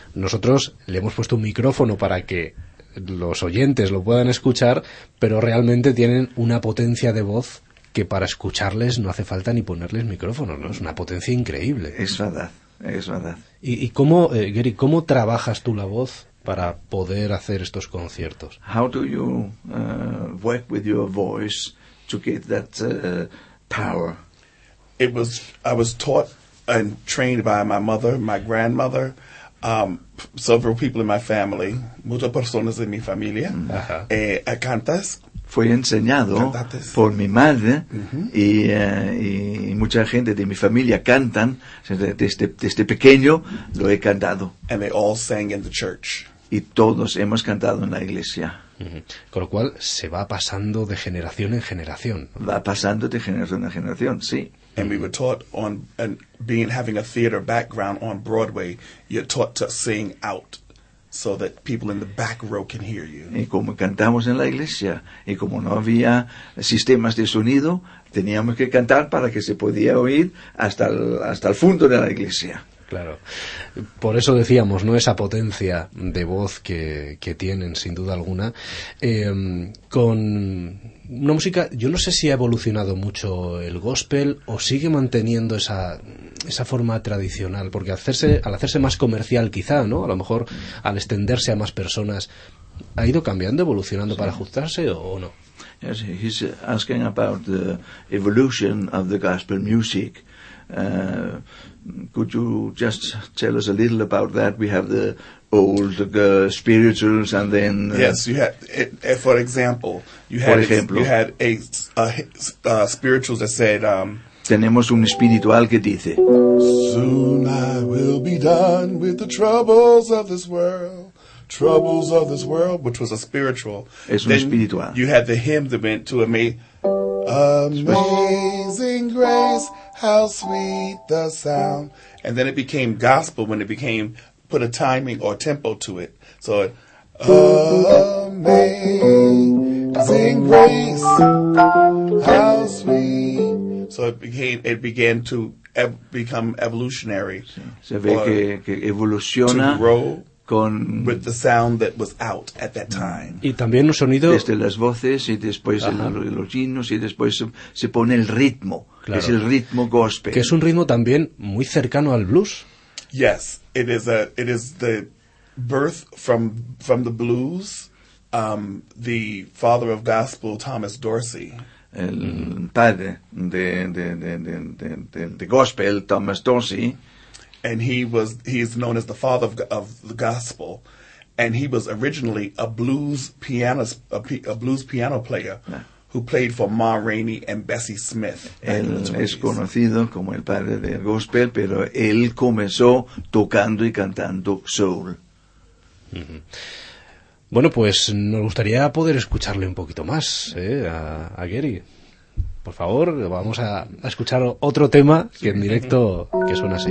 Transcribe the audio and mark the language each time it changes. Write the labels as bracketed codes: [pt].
[es] Nosotros le hemos puesto un micrófono para que los oyentes lo puedan escuchar, pero realmente tienen una potencia de voz que para escucharles no hace falta ni ponerles micrófono, ¿no? Es una potencia increíble. Es verdad. Es verdad. ¿Y cómo, Gary, cómo trabajas tú la voz para poder hacer estos conciertos? [en] How do you work with your voice to get that power? I was taught and trained by my mother, my grandmother, several people in my family, [es] muchas personas en mi familia, a cantas. Fue enseñado cantantes por mi madre, uh-huh, y mucha gente de mi familia cantan, desde pequeño lo he cantado. [en] And they all sang in the church. [es] Y todos hemos cantado en la iglesia. Uh-huh. Con lo cual se va pasando de generación en generación. Va pasando de generación en generación, sí. [en] And we were taught on, and being having a theater background on Broadway, you're taught to sing out so that people in the back row can hear you. [es] Y como cantamos en la iglesia, y como no había sistemas de sonido, teníamos que cantar para que se podía oír hasta el fondo de la iglesia. Claro. Por eso decíamos, ¿no? Esa potencia de voz que tienen, sin duda alguna. Con una música, yo no sé si ha evolucionado mucho el gospel o sigue manteniendo esa forma tradicional, porque al hacerse más comercial quizá, ¿no? A lo mejor al extenderse a más personas, ¿ha ido cambiando, evolucionando para ajustarse o no? [en] Yes, he's asking about the evolution of the gospel music. Could you just tell us a little about that? We have the old spirituals, and then yes, you had it, for example, you had [es] ejemplo, [en] you had a spirituals that said. [es] Tenemos un espiritual que dice. [en] Soon I will be done with the troubles of this world. Troubles of this world, which was a spiritual. [es] Es un espiritual. [en] You had the hymn that went to Amazing Grace. How sweet the sound. And then it became gospel when it became, put a timing or tempo to it. So, amazing grace, how sweet. So it began to become evolutionary. [es] Sí. Se ve que evoluciona. [en] To grow. [es] Con [en] with the sound that was out at that time. [es] Y también un sonido desde las voces y después los himnos y después se pone el ritmo, claro, que es el ritmo gospel. Que es un ritmo también muy cercano al blues. [en] Yes, it is the birth from the blues. The father of gospel, Thomas Dorsey. [es] El padre de gospel, Thomas Dorsey. [en] And he's known as the father of the gospel, and he was originally a blues pianist, a blues piano player, who played for Ma Rainey and Bessie Smith. [es] Él es conocido como el padre del gospel, pero él comenzó tocando y cantando soul. Mm-hmm. Bueno, pues nos gustaría poder escucharle un poquito más, a Gary. Por favor, vamos a escuchar otro tema que en directo que suena así.